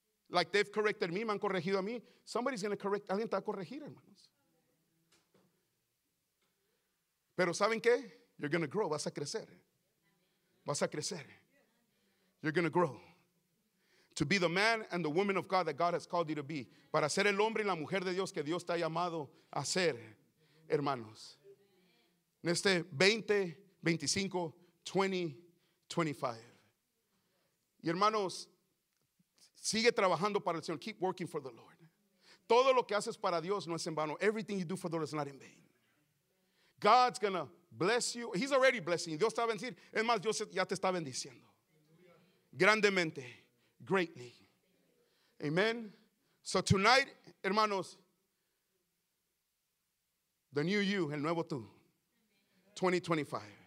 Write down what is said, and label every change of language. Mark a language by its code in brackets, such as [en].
[en] Like they've corrected me, [es] me han corregido a mí. [en] Somebody's going to correct, [es] alguien te va a corregir, hermanos. Pero ¿saben qué? [en] You're going to grow, [es] vas a crecer. Vas a crecer. [en] You're going to grow. To be the man and the woman of God that God has called you to be. [es] Para ser el hombre y la mujer de Dios que Dios te ha llamado a ser, hermanos. En este 2025. Y hermanos, sigue trabajando para el Señor. [en] Keep working for the Lord. [es] Todo lo que haces para Dios no es en vano. [en] Everything you do for the Lord is not in vain. God's gonna bless you. He's already blessing you. [es] Dios está bendiciendo. Es más, Dios ya te está bendiciendo. Grandemente. Greatly. Amen. [en] So tonight, hermanos, the new you, [es] el nuevo tú. [en] 2025.